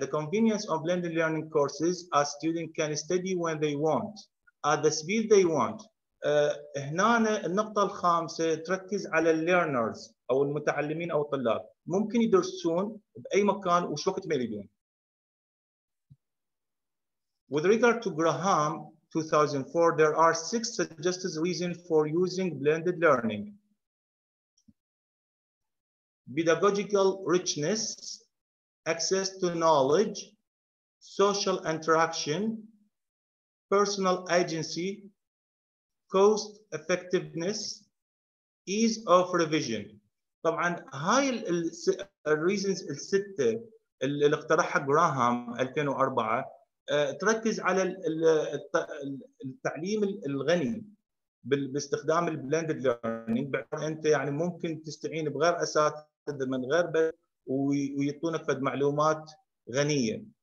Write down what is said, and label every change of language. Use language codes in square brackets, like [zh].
[en] The convenience of blended learning courses, a student can study when they want at the speed they want. [ar] هنا النقطة الخامسة تركز على learners أو المتعلمين أو الطلاب، ممكن يدرسون بأي مكان وش وقت ما يريدون. [en] With regard to Graham 2004, there are six suggested reasons for using blended learning. Pedagogical richness, access to knowledge, social interaction, personal agency, cost effectiveness, ease of revision. [ar] طبعا هاي الريزنز السته اللي اقترحها جراهام 2004 تركز على التعليم الغني باستخدام البلندد ليرنينج. بعدين انت يعني ممكن تستعين بغير اساتذه من غير ويعطونك فد معلومات غنيه.